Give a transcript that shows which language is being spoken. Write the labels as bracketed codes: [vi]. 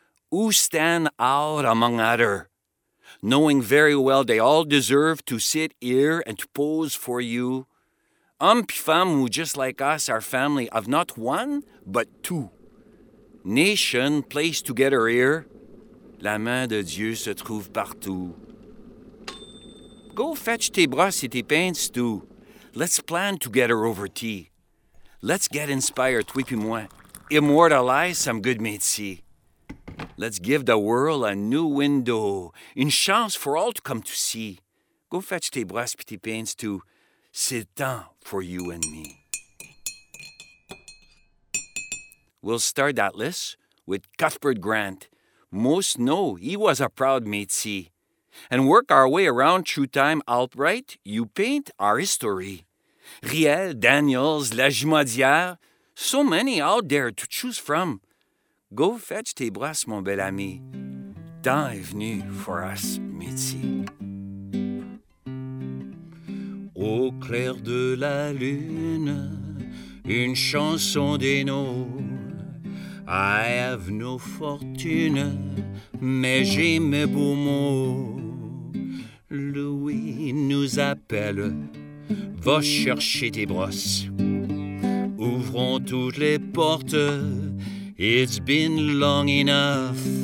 [en] Who stand out among other? Knowing very well they all deserve to sit here and to pose for you. [fr] Hommes puis femmes [en] who just like us are family of not one, but two. Nation placed together here. [fr] La main de Dieu se trouve partout. [en] Go fetch [fr] tes brosses et tes pains, Stu. [en] Let's plan together over tea. Let's get inspired, [fr] toi puis moi. [en] Immortalize some good métis. Let's give the world a new window, [fr] une chance [en] for all to come to see. Go fetch [fr] tes brosses et tes pains, Stu. C'est temps [en] for you and me. We'll start that list with Cuthbert Grant. Most know he was a proud métis. And work our way around through time outright, you paint our history. Riel, Daniels, Lajimodière, so many out there to choose from. Go fetch [fr] tes brosses, mon bel ami. Temps est venu [en] for us, [fr] métis. Au clair de la lune, une chanson des noms. [en] I have no fortune, [fr] mais j'ai mes beaux mots. Louis nous appelle, va chercher tes brosses. Ouvrons toutes les portes, [en] it's been long enough.